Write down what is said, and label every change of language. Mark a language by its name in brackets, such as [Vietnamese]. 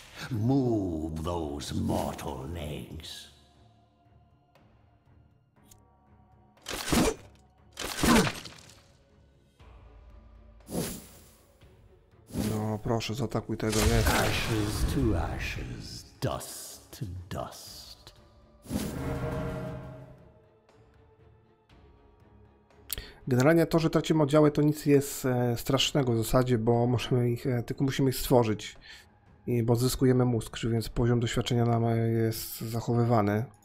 [English] Move those mortal legs. [Polish] No, proszę, zaatakuj tego jeszcze. [English] Ashes to ashes, dust to dust. [Polish] Generalnie to, że tracimy oddziały, to nic jest strasznego w zasadzie, bo możemy ich, tylko musimy ich stworzyć. I bo zyskujemy mózg, więc poziom doświadczenia nam jest zachowywany.